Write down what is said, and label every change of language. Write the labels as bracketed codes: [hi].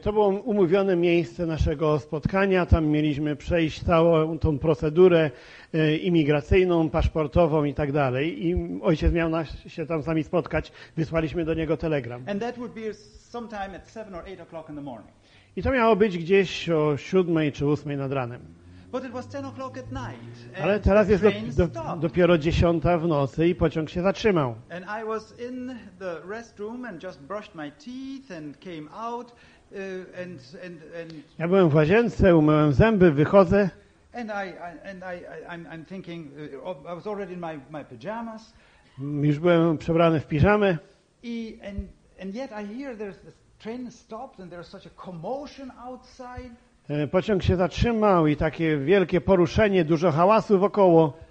[pl] To było umówione miejsce naszego spotkania. Tam mieliśmy przejść całą tą procedurę imigracyjną, paszportową i tak dalej. I ojciec miał się tam z nami spotkać. Wysłaliśmy do niego telegram. [en] And that would be sometime at 7 or 8 o'clock in the morning. [pl] I to miało być gdzieś o 7 czy 8 nad ranem. [en] But it was 10 o'clock at night. [pl] Ale teraz jest dopiero 10 w nocy i pociąg się zatrzymał. [en] And I was in the restroom and just brushed my teeth and came out and [pl] ja byłem w łazience, umyłem zęby, wychodzę. [en] I'm thinking I was already in my pajamas. [pl] Już byłem przebrany w piżamę. [en] And yet I hear there's the train stopped and there's such a commotion outside. [pl] Pociąg się zatrzymał i takie wielkie poruszenie, dużo hałasu wokoło.